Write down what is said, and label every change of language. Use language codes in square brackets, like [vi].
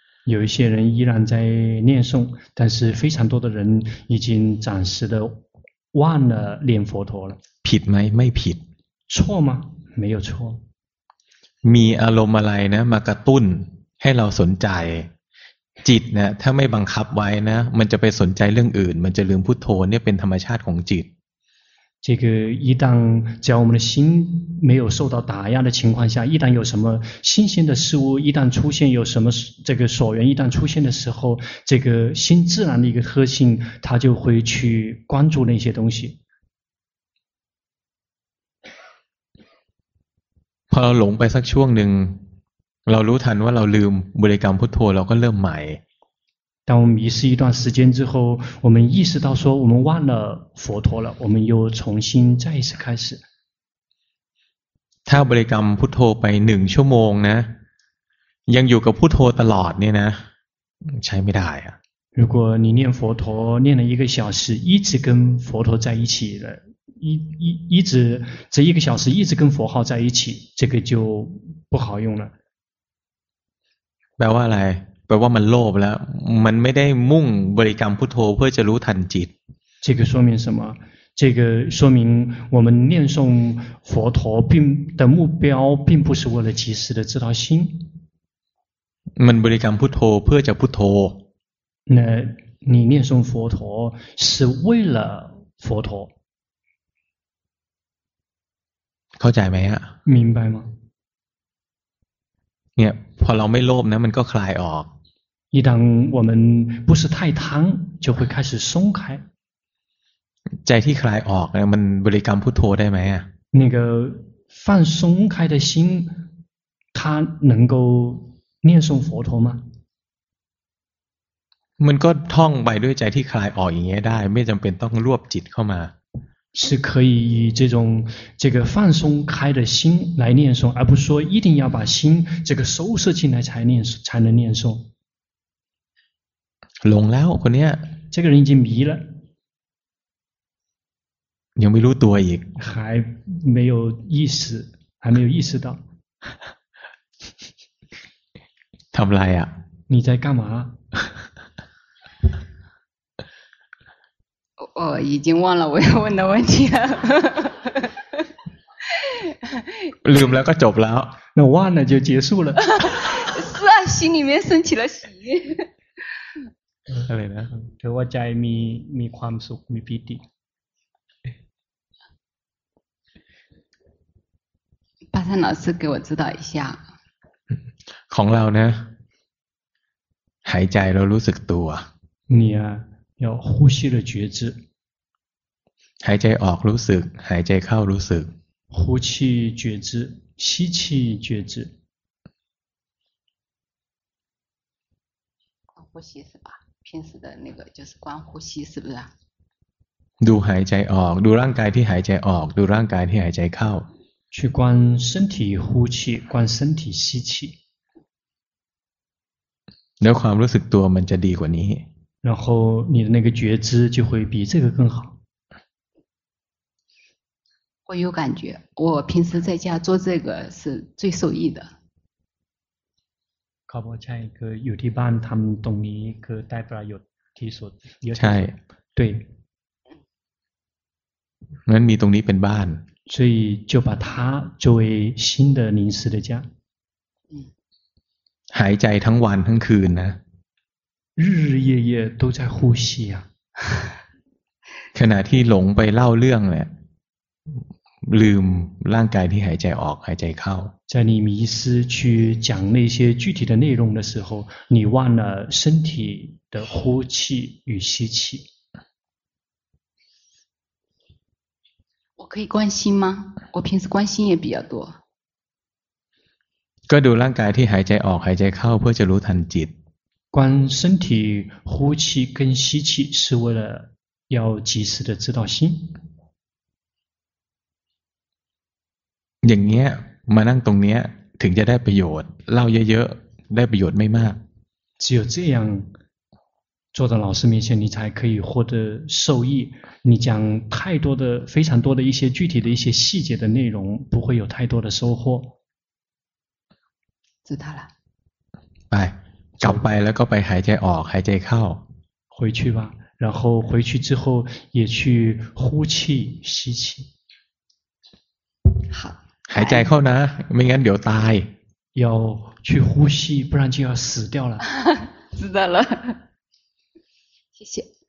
[zh] 有一些人依然在念诵但是非常多的人已经暂时的忘了念佛陀了 [th] ผิดไหมไม่ผิด [zh] 错吗没有错 [th] มีอารมณ์อะไรนะมากระตุ้นให้เราสนใจจิตนะถ้าไม่บังคับไว้นะมันจะไปสนใจเรื่องอื่นมันจะลืมพุทโธเนี่ยเป็นธรรมชาติของจิต [zh] 这个一旦只要我们的心没有受到打压的情况下一旦有什么新鲜的事物一旦出现有什么这个所缘一旦出现的时候这个心自然的一个特性它就会去关注那些东西 [th] พอเราหลงไปสักช่วงหนึ่งเรารู้ทันว่าเราลืมบริกรรมพุทโธเราก็เริ่มใหม่ [zh] 当我们迷失一段时间之后我们意识到说我们忘了佛陀了我们又重新再一次开始 [th] ถ้าบริกรรมพุทโธไปหนึ่งชั่วโมงนะยังอยู่กับพุทโธตลอดเนี่ยนะใช้ไม่ได้อะ [zh] 如果你念佛陀念了一个小时一直跟佛陀在一起的一直这一个小时一直跟佛号在一起这个就不好用了 [th] แปลว่าอะไรแปลว่ามันโลภแล้วมันไม่ได้มุ่งบริกรรมพุทโธเพื่อจะรู้ทันจิต [zh] 这个说明什么这个说明我们念诵佛陀并的目标并不是为了及时的知道心 [th] มันบริกรรมพุทโธเพื่อจะพุทโธ [zh] 那你念诵佛陀是为了佛陀 [th] เข้าใจไหมฮะ [zh] 明白吗 [th] เนี่ยพอเราไม่โลภนะมันก็คลายออก [zh] 一旦我们不是太贪就会开始松开 [th] ใจที่คลายออกมันบริกรรมพุทโธได้ไ [zh] หม那个放松开的心它能够念诵佛陀吗 [th] มันก็ท่องไปด้วยใจที่คลายออกอย่างเงี้ยได้ไม่จำเป็นต้องรวบจิตเข้ามา [zh] 是可以以这种这个放松开的心来念诵，而不是说一定要把心这个收摄进来才能念诵。聋了， [th] คนนี้ [zh] 这个人已经迷了， [th] ยังไม่รู้ตัวอีก [zh] 还没有意识，还没有意识到。 [th] ทำไรอ่ะ [zh] 你在干嘛？我已经忘了我要问的问题了 [th] ลืมแล้วก็จบแล้ว [zh] 那忘了就结束了是啊心里面升起了喜 [th] อะไรนะ ถือว่าใจมีความสุขมีปิติ [zh] ปาท่าน老师给我指导一下 [th] ของเรานะหายใจเรารู้สึกตัว [zh] 你啊要呼吸的觉知 [th] หายใจออกรู้สึกหายใจเข้ารู้สึก [zh] 呼气觉知吸气觉知呼吸是吧平时的那个就是观呼吸是不是 [th] ดูหายใจออกดูร่างกายที่หายใจออกดูร่างกายที่หายใจเข้า [zh] 去观身体呼气观身体吸气 [th] แล้วความรู้สึกตัวมันจะดีกว่านี้ [zh] 然后你的那个觉知就会比这个更好我有感觉我平时在家做这个是最受益的 [th] ขอบใจคืออยู่ที่บ้านทำตรงนี้คือได้ประโยชน์ที่สุด ใช่ [zh] 对 [th] งั้นมีตรงนี้เป็นบ้าน [zh] 所以就把它作为新的临时的家 [th] หายใจทั้งวันทั้งคืนนะ [zh] 日日夜夜都在呼吸啊 [th] ขณะที่หลงไปเล่าเรื่องแหละลืมร่างกายที่หายใจออกหายใจเข้า [zh] 在你迷失去讲那些具体的内容的时候你忘了身体的呼气与吸气可以关心吗？我平时关心也比较多。 [th] ก็ดูร่างกายที่หายใจออกหายใจเข้าเพื่อจะรู้ทันจิต [zh] 观身体呼气跟吸气是为了要及时的知道心 [th] อย่างเงี้ยมานั่งตรงเนี้ยถึงจะได้ประโยชน์เล่าเยอะๆได้ประโยชน์ไม่มาก [zh] 只有这样坐在老师面前你才可以获得受益你讲太多的非常多的一些具体的一些细节的内容不会有太多的收获知道了 [th] ไปกลับไปแล้วก็ไปหายใจออกหายใจเข้า [zh] 回去吧然后回去之后也去呼气吸气好 [th] หายใจเข้านะไม่งั้นเดี๋ยวตาย [zh] 要去呼吸不然就要死掉了知道了谢谢